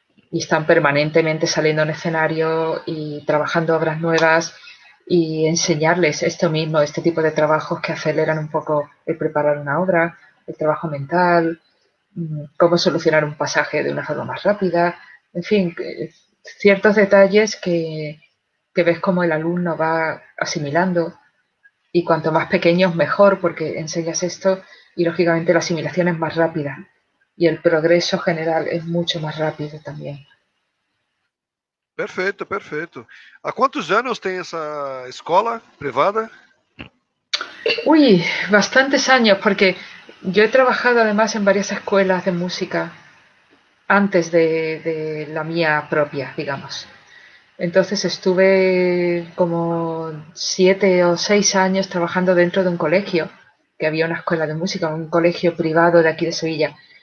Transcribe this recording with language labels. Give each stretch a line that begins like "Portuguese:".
Spanish: Y están permanentemente saliendo a un escenario y trabajando obras nuevas y enseñarles esto mismo, este tipo de trabajos que aceleran un poco el preparar una obra, el trabajo mental, cómo solucionar un pasaje de una forma más rápida, en fin, ciertos detalles que ves cómo el alumno va asimilando y cuanto más pequeños mejor porque enseñas esto y lógicamente la asimilación es más rápida. Y el progreso general es mucho más rápido también.
Portuguese: Perfeito, perfeito. Há quantos anos tem essa escola privada?
Spanish: Uy, bastantes años, porque yo he trabajado además en varias escuelas de música antes de la mía propia, digamos. Entonces estuve como 7 o 6 años trabajando dentro de un colegio, que había una escuela de música, un colegio privado de aquí de Sevilla.